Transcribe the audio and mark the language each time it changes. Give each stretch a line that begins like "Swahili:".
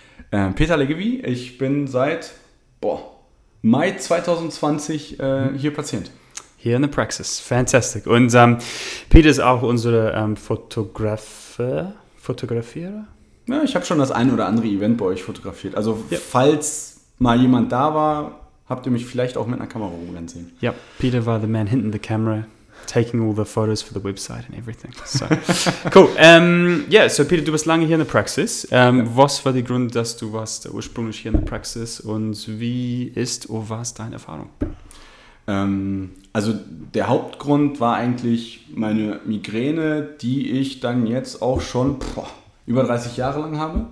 German: Peter Legewi. Ich bin seit Mai 2020 hier Patient. Hier in der Praxis. Fantastic. Und Peter ist auch unser Fotografierer. Ja, ich habe schon das ein oder andere Event bei euch fotografiert. Also Falls mal jemand da war, habt ihr mich vielleicht auch mit einer Kamera rumrennen sehen. Ja, yep.
English: Peter war the man hinting the camera, taking all the photos for the website and everything. So. Cool.
German: So Peter, du bist lange hier in der Praxis. Was war der Grund, dass du warst ursprünglich hier in der Praxis und wie ist oder war es deine Erfahrung? Also der Hauptgrund war eigentlich meine Migräne, die ich dann jetzt auch schon über 30 Jahre lang habe.